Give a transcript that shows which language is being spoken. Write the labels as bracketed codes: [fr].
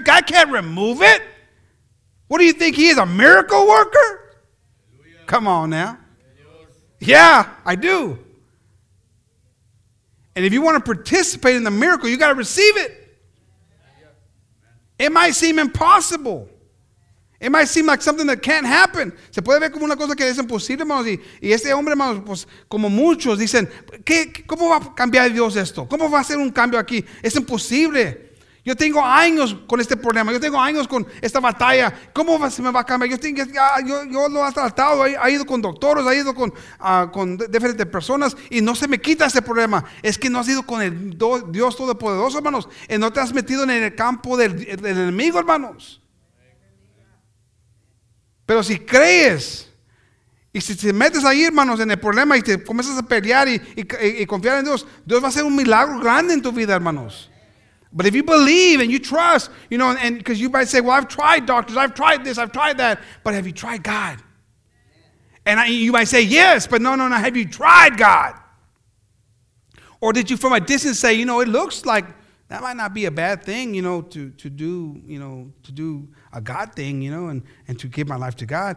[en] God can't remove it. What do you think? He is a miracle worker? Hallelujah. Come on now. Yeah, I do. And if you want to participate in the miracle, you got to receive it. It might seem impossible. It might seem like something that can't happen. [es] Se puede ver como una cosa que es imposible, hermanos. Y este hombre, hermanos, pues como muchos dicen, ¿qué, cómo va a cambiar Dios esto? ¿Cómo va a hacer un cambio aquí? Es imposible. Yo tengo años con este problema. Yo tengo años con esta batalla. ¿Cómo se me va a cambiar? Yo lo he tratado. He ido con doctores. He ido con diferentes personas. Y no se me quita ese problema. Es que no has ido con el Dios Todopoderoso, hermanos. Y no te has metido en el campo del enemigo, hermanos. Pero si crees y si te metes ahí, hermanos, en el problema y te comienzas a pelear y confiar en Dios, Dios va a hacer un milagro grande en tu vida, hermanos. [en] But if you believe and you trust, you know, and because you might say, well, I've tried doctors, I've tried this, I've tried that, but have you tried God? And you might say, yes, but no, have you tried God? Or did you from a distance say, you know, it looks like that might not be a bad thing, you know, to do a God thing, you know, and to give my life to God.